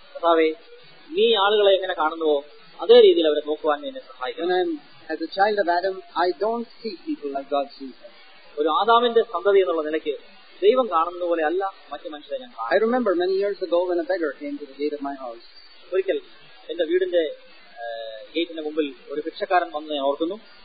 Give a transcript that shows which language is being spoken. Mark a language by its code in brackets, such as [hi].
[ml] കർത്താവേ, നീ ആളുകളെ എങ്ങനെ കാണുന്നുവോ അതേ രീതിയിൽ അവരെ നോക്കുവാൻ എന്നെ സഹായിക്കണം. [en] As a child of Adam, I don't see people like God sees them. [ml] ഒരു ആദാമിന്റെ സന്തതി എന്നുള്ള നിലയ്ക്ക് ദൈവം കാണുന്ന പോലെ അല്ല മറ്റു മനുഷ്യരെ ഞാൻ കാണുന്നത്. [en] I remember many years ago when a beggar came to the gate of my house. [ml] ഒരിക്കൽ എന്റെ വീടിന്റെ ഗേറ്റിന് മുമ്പിൽ ഒരു ഭിക്ഷക്കാരൻ വന്നു, ഞാൻ ഓർക്കുന്നു.